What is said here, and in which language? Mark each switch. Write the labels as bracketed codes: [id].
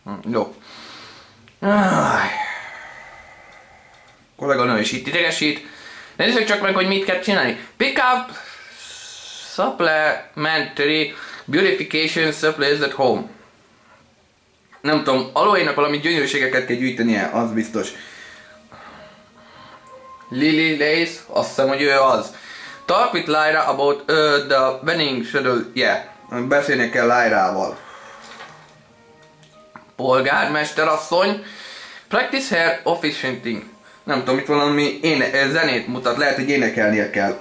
[hu] Jó. Kollega nő is itt idegesít. Nézzük csak meg, hogy mit kell csinálni. [en] Pick up supplementary beautification supplies at home. [hu] Nem tudom, Aloe-nak valami gyönyörűségeket kell gyűjtenie, az biztos. Lily Lace, azt hiszem, hogy ő az. [en] Talk with Lyra about the wedding schedule. Yeah. [hu] Beszélni kell Lyrával. Polgármester asszony. [en] Practice her officianting. [hu] Nem tudom, itt valami zenét mutat, lehet, hogy énekelnie kell.